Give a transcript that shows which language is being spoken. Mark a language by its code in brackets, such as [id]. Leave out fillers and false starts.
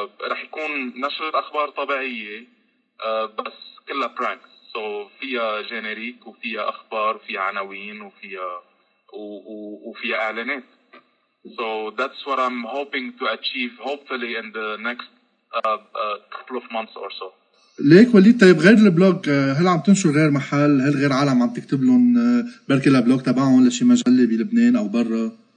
[ar] رح يكون نشرة أخبار طبيعية بس كلها pranks. so فيها جينيريك وفيها أخبار وفيها عناوين وفيها إعلانات. [en] so that's what I'm hoping to achieve hopefully in the next couple of months or so. [ar] ليك وليد, طيب غير البلوج, هل عم تنشر غير محل؟ هل غير عالم عم تكتب لهم بركي البلوج تبعهم لشي مجلة بلبنان أو برا؟